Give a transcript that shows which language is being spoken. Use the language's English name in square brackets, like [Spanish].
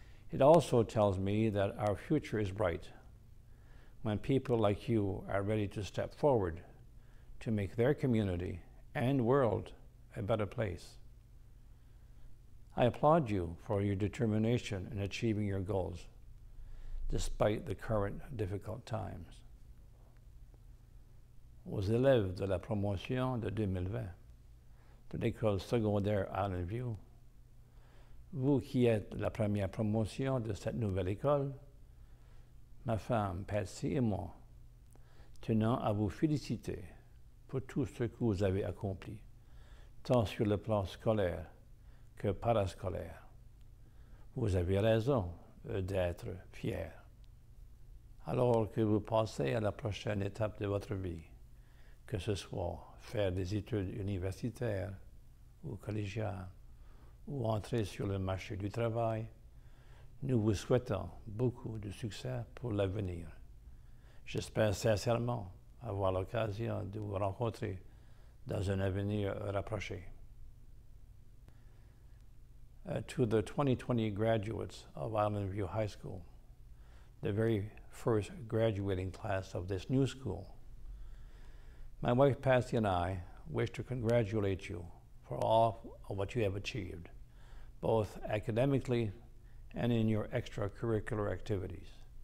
[English] It also tells me that our future is bright when people like you are ready to step forward to make their community and world a better place. I applaud you for your determination in achieving your goals, despite the current difficult times. [French] Aux élèves de la promotion de 2020 de l'école secondaire Islandview, vous qui êtes la première promotion de cette nouvelle école, ma femme Patsy et moi tenons à vous féliciter pour tout ce que vous avez accompli, tant sur le plan scolaire que parascolaire. Vous avez raison d'être fier. Alors que vous passez à la prochaine étape de votre vie, que ce soit faire des études universitaires ou collégiales, ou entrer sur le marché du travail, nous vous souhaitons beaucoup de succès pour l'avenir. J'espère sincèrement avoir l'occasion de vous rencontrer dans un avenir rapproché. [English] To the 2020 graduates of Islandview High School, the very first graduating class of this new school, my wife Patsy and I wish to congratulate you for all of what you have achieved, both academically and in your extracurricular activities.